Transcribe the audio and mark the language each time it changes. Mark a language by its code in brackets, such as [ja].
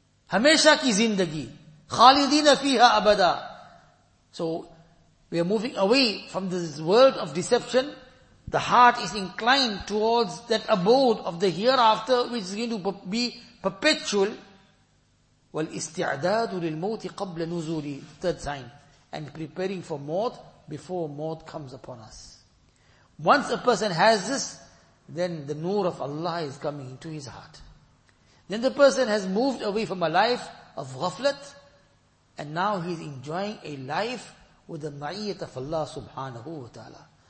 [ur] Hamesha ki zindagi. [ar] Khalidina fiha abada. [en] So, we are moving away from this world of deception. The heart is inclined towards that abode of the hereafter, which is going to be perpetual. [ar] والاستعداد للموت قبل نزولي. [en] Third sign. And preparing for maut before maut comes upon us. Once a person has this, then the nur of Allah is coming into his heart. Then the person has moved away from a life of ghaflat, and now he is enjoying a life with the ma'iyat of Allah subhanahu wa ta'ala.